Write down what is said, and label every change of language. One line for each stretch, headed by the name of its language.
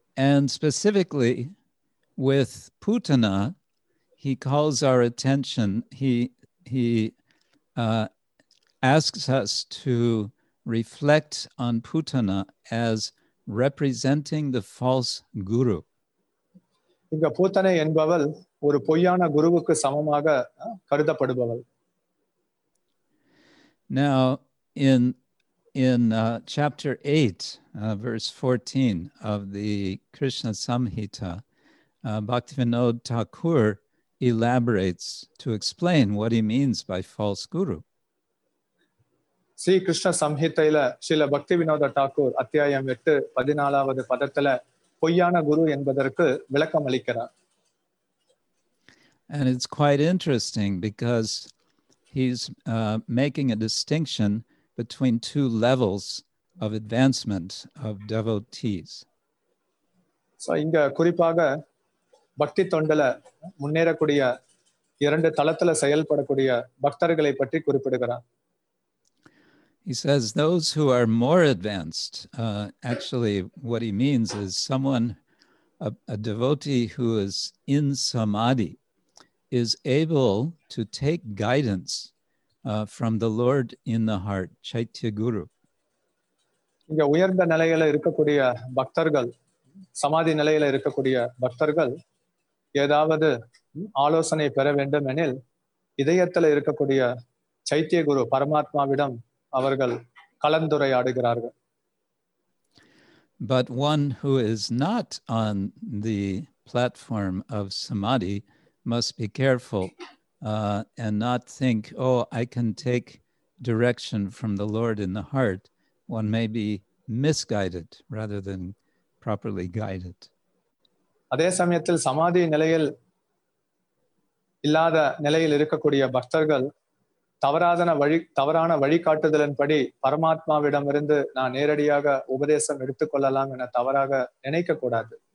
English: And specifically with Putana, he calls our attention, he asks us to reflect on Putana as representing the false guru.
Tamil: இங்க பூதனை என்பவள் ஒரு பொய்யான குருவுக்கு சமமாக கருதப்படுபவள்.
English: Now in chapter 8 verse 14 of the Krishna Samhita, Bhaktivinoda Thakur elaborates to explain what he means by false guru.
Tamil: Sri Krishna சம்ஹிதையில சில பக்தி வினோத தாக்கூர் அத்தியாயம் 8 14வது பதத்துல பொய்யான குரு என்பதற்கு விளக்கம் அளிக்கிறார்.
English: And it's quite interesting because he's making a distinction between two levels of advancement of devotees.
Tamil: So இங்க குறிப்பாக பக்தி தொண்டல முன்னேறக்கூடிய இரண்டு தளத்துல செயல்படக்கூடிய பக்தர்களை பற்றி குறிப்பிடுகிறார்.
English: He says those who are more advanced, actually what he means is someone, a devotee who is in samadhi, is able to take guidance from the Lord in the heart, Chaitya Guru.
Tamil: இங்க உயர்ந்த நிலையில இருக்கக்கூடிய பக்தர்கள், சமாதி நிலையில இருக்கக்கூடிய பக்தர்கள் ஏதாவது ஆலோசனை பெற வேண்டும் எனில் இதயத்துல இருக்கக்கூடிய சைத்திய குரு பரமாத்மாவிடம் அவர்கள் கலந்துரையாடுகிறார்கள்.
English: But one who is not on the platform of samadhi must be careful and not think, oh, I can take direction from the Lord in the heart. One may be misguided rather than properly guided.
Tamil: அதே சமயத்தில் சமாதி நிலையில் இல்லாத நிலையில் இருக்கக்கூடிய பக்தர்கள் தவறான வழிகாட்டுதலின்படி பரமாத்மாவிடமிருந்து நான் நேரடியாக உபதேசம் எடுத்துக்கொள்ளலாம் என தவறாக நினைக்க கூடாது.